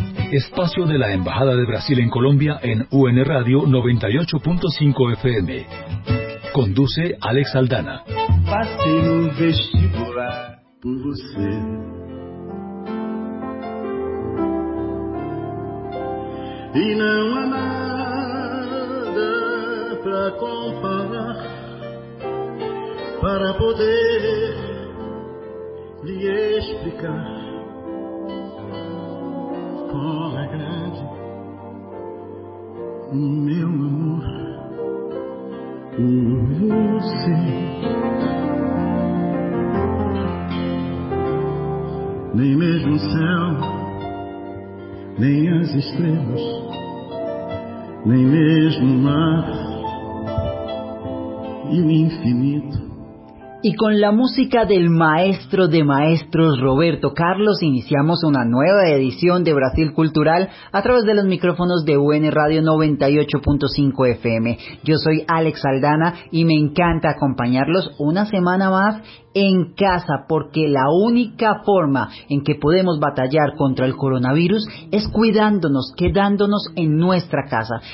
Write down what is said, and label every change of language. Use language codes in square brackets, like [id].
[es] Espacio de la Embajada de Brasil en Colombia en UN Radio 98.5 FM. Conduce Alex Aldana. [pt] Passei no vestibular por você. E não há nada pra comparar, para poder lhe explicar como é grande o meu amor por você. Nem mesmo o céu, nem as estrelas, nem mesmo o mar e o infinito. [es] Y con la música del maestro de maestros Roberto Carlos iniciamos una nueva edición de Brasil Cultural a través de los micrófonos de UN Radio 98.5 FM. Yo soy Alex Aldana y me encanta acompañarlos una semana más en casa, porque la única forma en que podemos batallar contra el coronavirus es cuidándonos, quedándonos en nuestra casa.